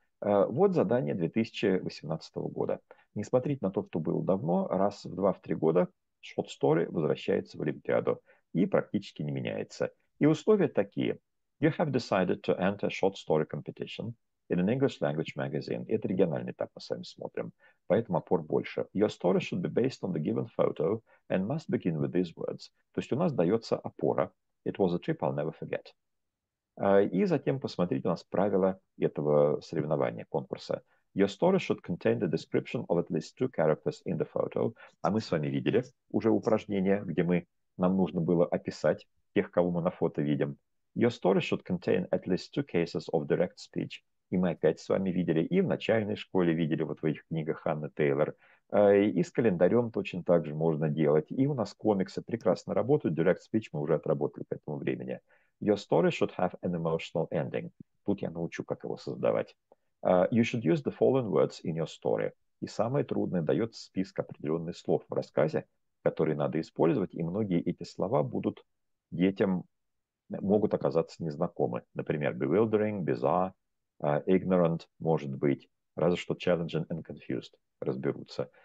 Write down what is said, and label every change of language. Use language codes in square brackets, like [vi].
[ru] Вот задание 2018 года. Не смотреть на то, что было давно, раз в 2-3 года short story возвращается в Олимпиаду и практически не меняется. И условия такие. [en] You have decided to enter a short story competition in an English language magazine. [ru] Это региональный этап, мы с вами смотрим. Поэтому опор больше. [en] Your story should be based on the given photo and must begin with these words. [ru] То есть у нас дается опора. [en] It was a trip I'll never forget. [ru] И затем посмотрите у нас правила этого соревнования, конкурса. [en] Your story should contain the description of at least two characters in the photo. [ru] А мы с вами видели уже упражнение, где нам нужно было описать тех, кого мы на фото видим. [en] Your story should contain at least two cases of direct speech. [ru] И мы опять с вами видели, и в начальной школе видели вот в этих книгах Ханны Тейлор. И с календарем точно так же можно делать. И у нас комиксы прекрасно работают. [en] Direct speech [ru] мы уже отработали к этому времени. [en] Your story should have an emotional ending. [ru] Тут я научу, как его создавать. [en] You should use the following words in your story. [ru] И самое трудное, дается список определенных слов в рассказе, которые надо использовать, и многие эти слова будут детям, могут оказаться незнакомы. Например, bewildering, bizarre, ignorant, может быть, разве что challenging and confused разберутся.